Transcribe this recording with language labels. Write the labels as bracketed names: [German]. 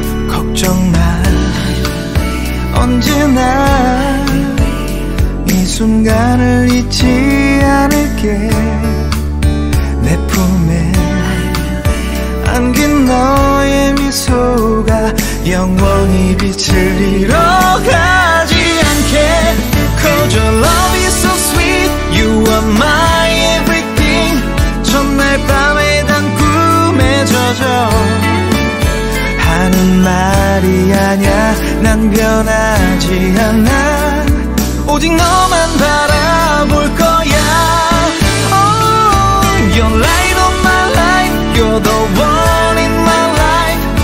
[Korean] 걱정 마, 언제나 이 순간을 잊지 않을게. 내 품에 안긴 너의 미소가 영원히 빛을 잃어가지 않게. [English] 'Cause your love is so sweet, you are my everything. [Korean] 첫날 밤에 난 꿈에 젖어 하는 말이 아냐, 난 변하지 않아. 오직 너만 바라볼 거야. [English] Oh, your light of my life, you're the one in my life.